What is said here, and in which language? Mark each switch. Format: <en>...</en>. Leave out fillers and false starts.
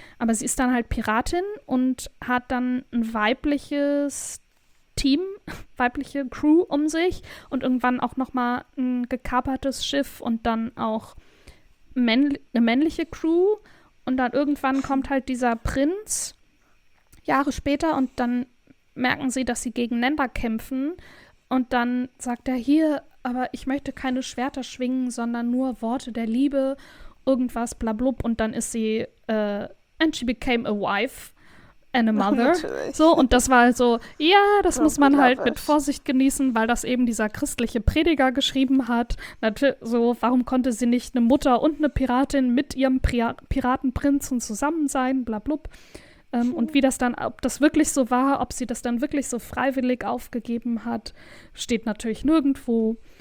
<de>Aber sie ist dann halt Piratin und hat dann ein weibliches Team, weibliche Crew um sich und irgendwann auch nochmal ein gekapertes Schiff und dann auch eine männliche Crew. Und dann irgendwann kommt halt dieser Prinz, Jahre später, und dann merken sie, dass sie gegeneinander kämpfen. Und dann sagt er, hier, aber ich möchte keine Schwerter schwingen, sondern nur Worte der Liebe, irgendwas, blablub. Und dann ist sie,</de> <en>and she became a wife and a mother.</en> <de>So, und das war so, ja, das muss man halt mit Vorsicht genießen, weil das eben dieser christliche Prediger geschrieben hat. So, warum konnte sie nicht eine Mutter und eine Piratin mit ihrem Piratenprinzen zusammen sein, blablub. Und wie das dann, ob das wirklich so war, ob sie das dann wirklich so freiwillig aufgegeben hat, steht natürlich nirgendwo.</de>